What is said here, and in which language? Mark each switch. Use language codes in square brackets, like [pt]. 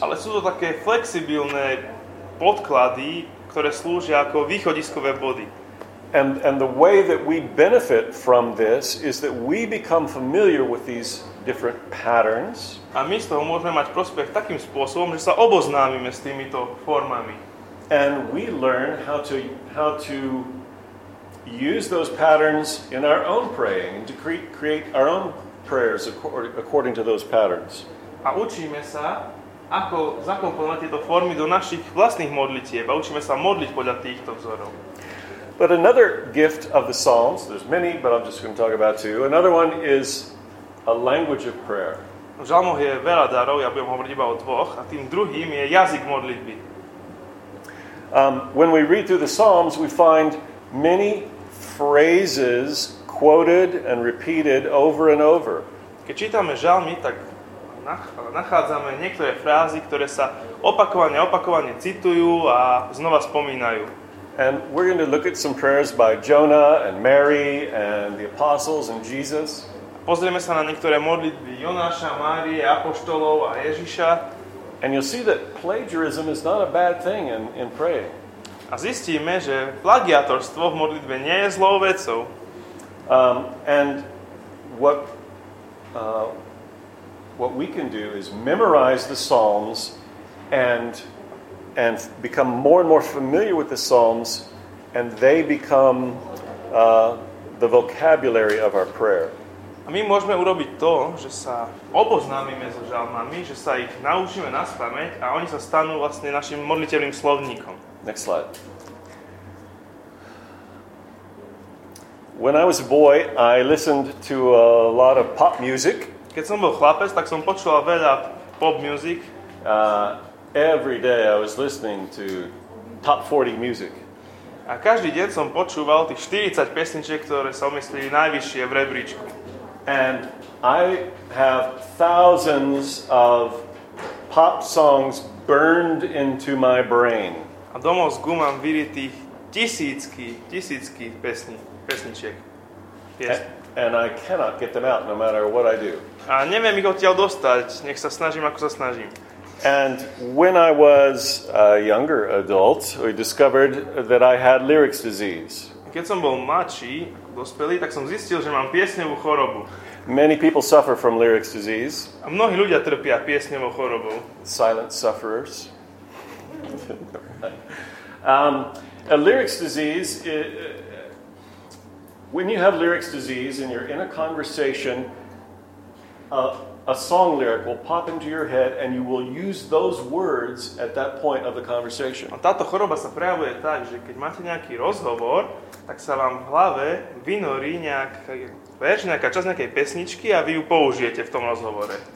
[sk] Ale sú to také flexibilné podklady, ktoré slúžia ako východiskové body. [en] And the way that we benefit from this is that we become familiar with these different patterns. [sk] A my z toho môžeme mať prospech takým spôsobom, že sa oboznámime s týmito formami. [en] And we learn how to use those patterns in our own praying to create our own prayers according to those patterns. [sk] A učíme sa, ako zakomponovať tieto formy do našich vlastných modlitieb. A učíme sa modliť podľa týchto vzorov. [en] But another gift of the Psalms, there's many, but I'm just going to talk about two. Another one is a language of prayer. [sk] V žalmoch je veľa darov, ja budem hovoriť iba o dvoch, a tým druhým je jazyk modlitby. [en] When we read through the Psalms, we find many phrases quoted and repeated over and over. [sk] Keď čítame žalmy, tak nachádzame niektoré frázy, ktoré sa opakovane citujú a znova spomínajú. [en] And we're going to look at some prayers by Jonah and Mary and the apostles and Jesus. [sk] Pozrieme sa na niektoré modlitby Jonáša, Márie, apoštolov a Ježiša. [en] And you'll see that plagiarism is not a bad thing in praying. [sk] A zistíme, že plagiatorstvo v modlitbe nie je zlou vecou. [en] And what we can do is memorize the Psalms and become more and more familiar with the Psalms and they become the vocabulary of our prayer. [sk] A my môžeme urobiť to, že sa oboznámime so žalmami, že sa ich naučíme na spameť a oni sa stanú vlastne našim modlitevným slovníkom. [en] Next slide. When I was a boy, I listened to a lot of pop music. [sk] Keď som bol chlapec, tak som počúval veľa pop music. [en] Every day I was listening to top 40 music. [sk] A každý deň som počúval tých 40 pesničiek, ktoré sa umiestnili najvyššie v rebríčku. [en] And I have thousands of pop songs burned into my brain. [sk] A domov z gumám vidí tých tisícky pesničiek. [en] And I cannot get them out no matter what I do. [sk] A neviem ich odtiaľ dostať, nech sa snažím, ako sa snažím. [en] And when I was a younger adult, we discovered that I had lyrics disease. [sk] Keď som bol mladší, dospelý, tak som zistil, že mám piesňovú chorobu. [en] Many people suffer from lyrics disease. [sk] A mnohí ľudia trpia piesňovou chorobou. [en] Silent sufferers. lyrics disease, when you have lyrics disease and you're in a conversation, a song lyric will pop into your head and you will use those words at that point of the conversation. [sk] A táto choroba sa prejavuje tak, že keď máte nejaký rozhovor, tak sa vám v hlave vynorí nejaká časť nejakej pesničky a vy ju použijete v tom rozhovore.